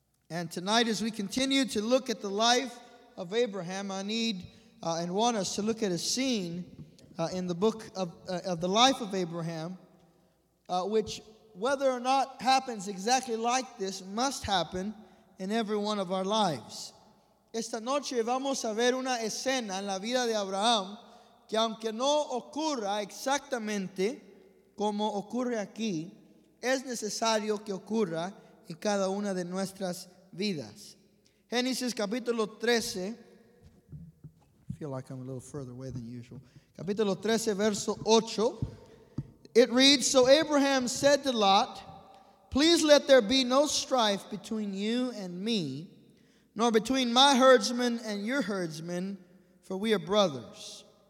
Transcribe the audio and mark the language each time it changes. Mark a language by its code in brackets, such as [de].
[en] And tonight, as we continue to look at the life of Abraham, I need and want us to look at a scene in the book of the life of Abraham, which, whether or not happens exactly like this, must happen in every one of our lives. [es] Esta noche vamos a ver una escena en la vida de Abraham que, aunque no ocurra exactamente como ocurre aquí, es necesario que ocurra en cada una de nuestras vidas. Genesis capítulo 13. [en] I feel like I'm a little further away than usual. [es] Capítulo 13, verso 8. [en] It reads, "So Abraham said to Lot, 'Please let there be no strife between you and me, nor between my herdsmen and your herdsmen, for we are brothers.